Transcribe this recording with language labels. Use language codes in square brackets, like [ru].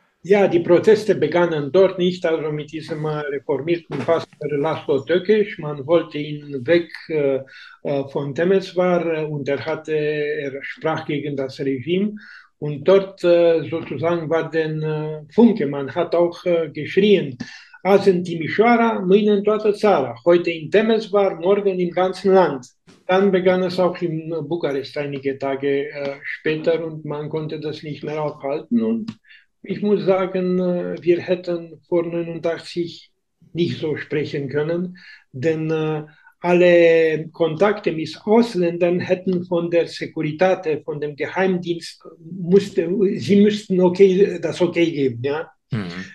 [de] Ja, die Proteste begannen dort nicht, also mit diesem reformierten Pastor Laszlo Tökes. Man wollte ihn weg von Temeswar und er sprach gegen das Regime. Und dort sozusagen war der Funke. Man hat auch geschrien: [ro] Azi în Timișoara, mâine in toată țara. [de] Heute in Temeswar, morgen im ganzen Land. Dann begann es auch in Bukarest einige Tage später und man konnte das nicht mehr aufhalten. Und ich muss sagen, wir hätten vor 89 nicht so sprechen können, denn alle Kontakte mit Ausländern hätten von der Securitate, von dem Geheimdienst, sie müssten das Okay geben. Ja?